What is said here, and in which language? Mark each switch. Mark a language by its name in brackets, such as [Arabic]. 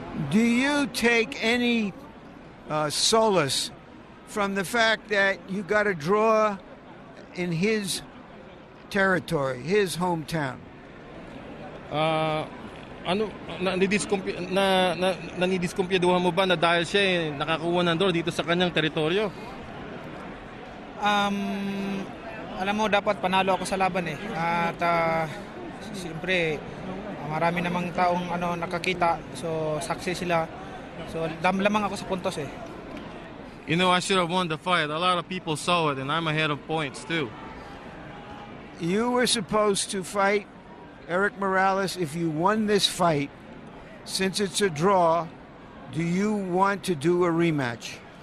[English] Do you take any solace from the fact that you got a draw in his territory, his hometown? [Filipino] Nanidiskumpiyaduhan mo ba na dahil siya nakakuha ng draw dito sa kanyang teritoryo? Alam mo, dapat panalo ako sa laban eh. At siyempre, marami namang taong nakakita. So, saksi sila. So, lamang ako sa puntos eh. [English] You know, I should have won the fight. A lot of people saw it and I'm ahead of points too. You were supposed to fight Eric Morales if you won this fight. Since it's a draw, do you want to do a rematch?